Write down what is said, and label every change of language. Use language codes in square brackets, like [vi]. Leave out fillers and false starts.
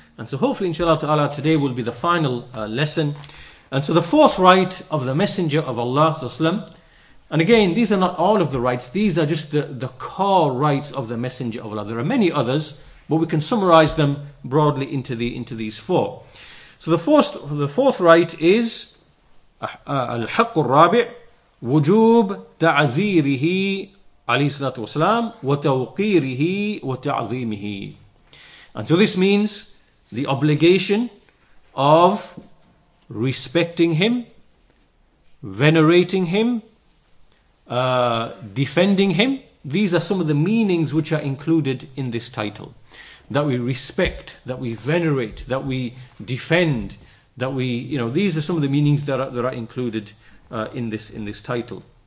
[en] And so hopefully, inshallah ta'ala, today will be the final lesson. And so the fourth right of the Messenger of Allah, and again, these are not all of the rights. These are just the core rights of the Messenger of Allah. There are many others, but we can summarize them broadly into these four. So the fourth right is [ar] الحق الرابع وجوب تعزيره عليه الصلاة والسلام وتوقيره وتعظيمه. [en] And so this means the obligation of respecting him, venerating him, defending him. These are some of the meanings which are included in this title. That we respect, that we venerate, that we defend, that we, you know, these are some of the meanings that are included in this title.